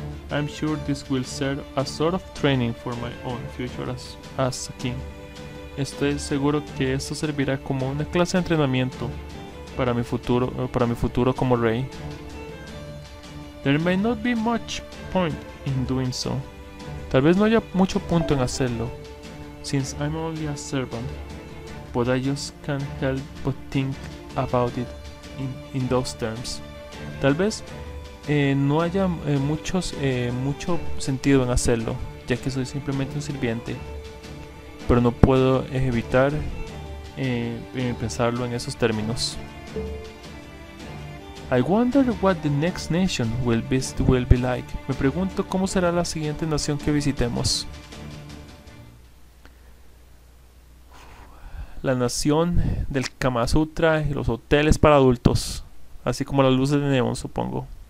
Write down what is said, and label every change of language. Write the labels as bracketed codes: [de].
[en] I'm sure this will serve a sort of training for my own future as a king. [es] Estoy seguro que esto servirá como una clase de entrenamiento para mi futuro como rey. [en] There may not be much point in doing so. [es] Tal vez no haya mucho punto en hacerlo, [en] since I'm only a servant, but I just can't help but think about it in those terms. [es] Tal vez no haya mucho sentido en hacerlo, ya que soy simplemente un sirviente, pero no puedo evitar pensarlo en esos términos. [en] I wonder what the next nation will be like. [es] Me pregunto cómo será la siguiente nación que visitemos. La nación del Kama Sutra y los hoteles para adultos, así como las luces de neón, supongo.